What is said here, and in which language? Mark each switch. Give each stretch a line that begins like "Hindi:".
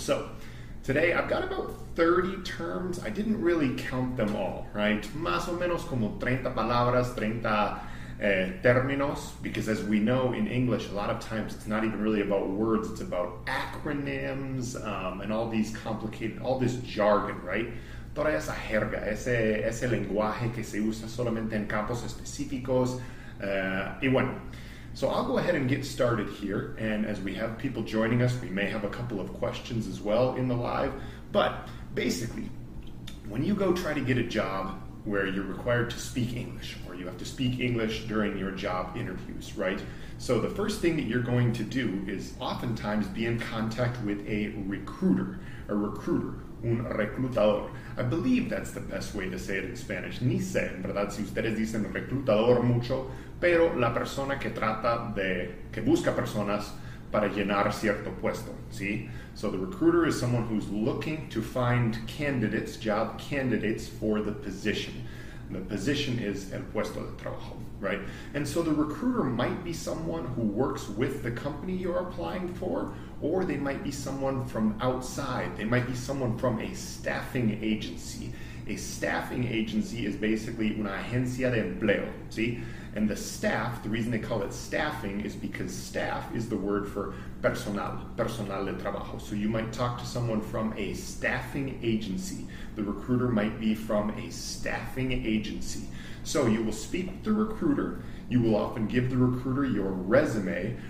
English: So today I've got about 30 terms. I didn't really count them all, right?
Spanish: Más o menos como 30 palabras, 30 términos,
English: because as we know in English, a lot of times it's not even really about words, it's about acronyms and all these complicated, all this jargon, right?
Spanish: Toda esa jerga, ese lenguaje que se usa solamente en campos específicos, y bueno.
English: So I'll go ahead and get started here, and as we have people joining us, we may have a couple of questions as well in the live, but basically, when you go try to get a job where you're required to speak English, or you have to speak English during your job interviews, right? So the first thing that you're going to do is oftentimes be in contact with a recruiter,
Spanish: un reclutador.
English: I believe that's the best way to say it in Spanish.
Spanish: Ni sé, en verdad, si ustedes dicen reclutador mucho, pero la persona que trata de, que busca personas para llenar cierto puesto, ¿sí?
English: So the recruiter is someone who's looking to find candidates, job candidates for the position. The position is
Spanish: el puesto de trabajo,
English: right? And so the recruiter might be someone who works with the company you're applying for, or they might be someone from outside. They might be someone from a staffing agency. A staffing agency is basically
Spanish: una agencia de empleo, ¿sí?
English: And the staff, the reason they call it staffing is because staff is the word for
Spanish: personal de trabajo.
English: So you might talk to someone from a staffing agency. The recruiter might be from a staffing agency. So you will speak with the recruiter. You will often give the recruiter your resume.